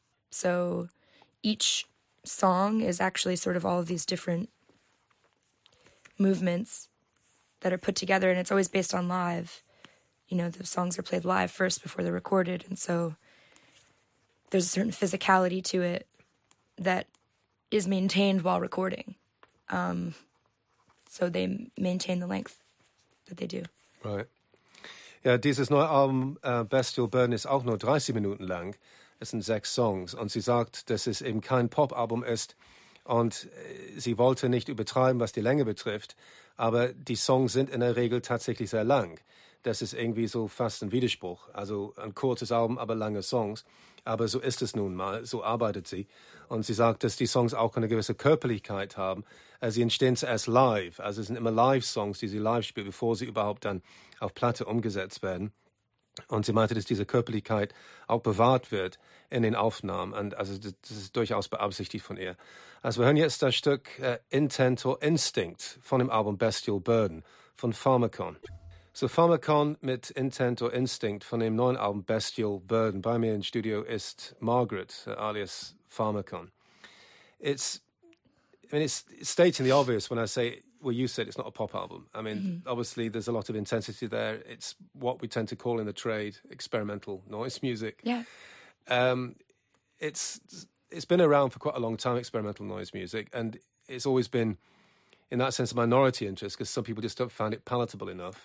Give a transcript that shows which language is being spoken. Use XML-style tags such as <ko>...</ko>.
<en>So each song is actually sort of all of these different movements that are put together, and it's always based on live. You know, the songs are played live first before they're recorded, and so there's a certain physicality to it that is maintained while recording. So they maintain the length that they do. Right.</en> <de>Ja, dieses neue Album Bestial Burden ist auch nur 30 Minuten lang. Es sind 6 Songs. Und sie sagt, dass es eben kein Pop-Album ist. Und sie wollte nicht übertreiben, was die Länge betrifft. Aber die Songs sind in der Regel tatsächlich sehr lang. Das ist irgendwie so fast ein Widerspruch. Also ein kurzes Album, aber lange Songs. Aber so ist es nun mal. So arbeitet sie. Und sie sagt, dass die Songs auch eine gewisse Körperlichkeit haben. Sie entstehen zuerst live. Also es sind immer Live-Songs, die sie live spielt, bevor sie überhaupt dann auf Platte umgesetzt werden. Und sie meinte, dass diese Körperlichkeit auch bewahrt wird in den Aufnahmen. Und also das ist durchaus beabsichtigt von ihr. Also wir hören jetzt das Stück Intent or Instinct von dem Album Bestial Burden von Pharmakon. So Pharmakon mit Intent or Instinct von dem neuen Album Bestial Burden. Bei mir im Studio ist Margaret, alias Pharmakon.</de> <en>It's stating the obvious when I say, well, you said it's not a pop album. I mean, obviously, there's a lot of intensity there. It's what we tend to call in the trade experimental noise music. Yeah. It's been around for quite a long time, experimental noise music, and it's always been, in that sense, a minority interest because some people just don't find it palatable enough.</en>